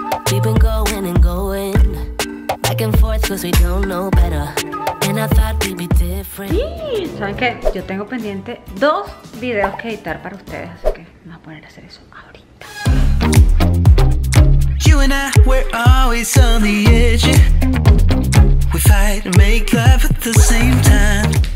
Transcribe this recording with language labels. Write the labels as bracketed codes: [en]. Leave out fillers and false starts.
[en] We've been going and going back and forth 'cause we don't know better. And I thought we'd be different. [es] ¿Saben qué? Yo tengo pendiente 2 videos que editar para ustedes, así que me voy a poner a hacer eso ahorita. [en] You and I, we're always on the edge. We fight and make love at the same time.